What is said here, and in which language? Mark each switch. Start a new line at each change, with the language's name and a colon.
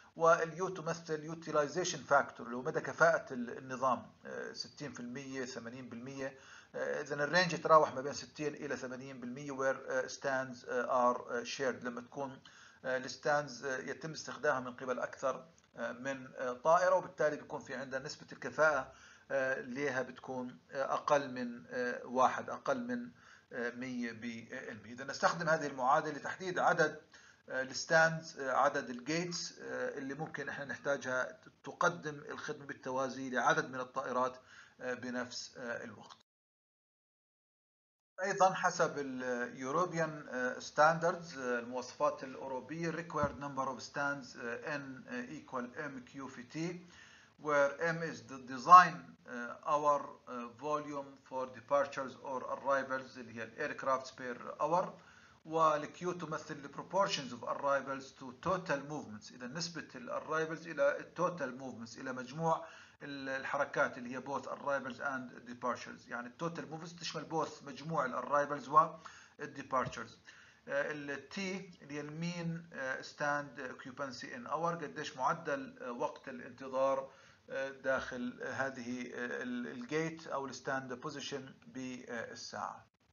Arabic: واليو تمثل utilization factor اللي هو مدى كفاءة النظام 60% 80%، إذا الرينج يتراوح ما بين 60 إلى 80%
English: where stands are shared،
Arabic: لما تكون الستاندز يتم استخدامها من قبل أكثر من طائرة، وبالتالي بيكون في عندها نسبة الكفاءة ليها بتكون أقل من واحد، أقل من 100%. إذا نستخدم هذه المعادلة لتحديد عدد الستاندز، عدد الجيتس اللي ممكن احنا نحتاجها تقدم الخدمة بالتوازي لعدد من الطائرات بنفس الوقت. ايضا حسب اليوروبيان ستاندردز، المواصفات الاوروبية،
English: required number of stands n equal mq في t where m is the design hour volume for departures or arrivals اللي هي aircraft per hour، والكيو تمثل the proportions of arrivals to total movements،
Arabic: إذا نسبة الـ
English: arrivals إلى total movements
Arabic: إلى مجموع الحركات اللي هي
English: both arrivals and departures، يعني total movements تشمل both مجموع الـ arrivals والـ departures.
Arabic: الـ T اللي هي الـ
English: mean stand occupancy in hour،
Arabic: قديش معدل وقت الانتظار داخل هذه الـ gate أو الـ stand position بالساعة.